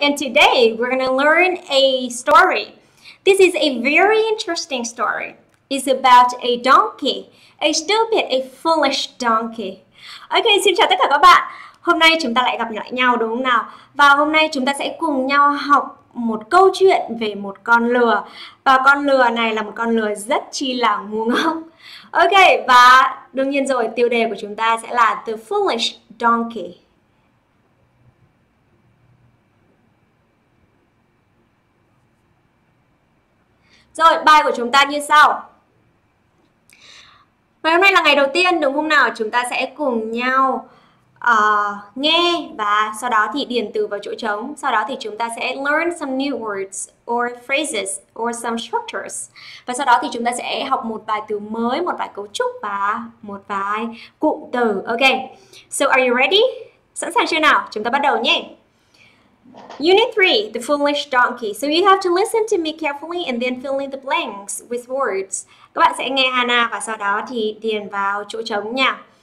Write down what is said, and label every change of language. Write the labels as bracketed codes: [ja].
[en] And today we're going to learn a story. This is a very interesting story. It's about a donkey, a stupid, a foolish donkey. [vi] Okay, xin chào tất cả các bạn. Hôm nay chúng ta lại gặp lại nhau đúng không nào? Và hôm nay chúng ta sẽ cùng nhau học một câu chuyện về một con lừa. Và con lừa này là một con lừa rất chi là ngu ngốc. Okay, và đương nhiên rồi, tiêu đề của chúng ta sẽ là [en] The Foolish Donkey. [vi] Rồi, bài của chúng ta như sau. Ngày hôm nay là ngày đầu tiên, đúng không nào? Chúng ta sẽ cùng nhau nghe và sau đó thì điền từ vào chỗ trống. Sau đó thì chúng ta sẽ [en] learn some new words or phrases or some structures. [vi] Và sau đó thì chúng ta sẽ học một vài từ mới, một vài cấu trúc và một vài cụm từ. Ok, [en] so are you ready? [vi] Sẵn sàng chưa nào? Chúng ta bắt đầu nhé. [en] Unit 3, The Foolish Donkey. So you have to listen to me carefully and then fill in the blanks with words. [vi] Các bạn sẽ nghe Hana và sau đó thì điền vào chỗ trống nha.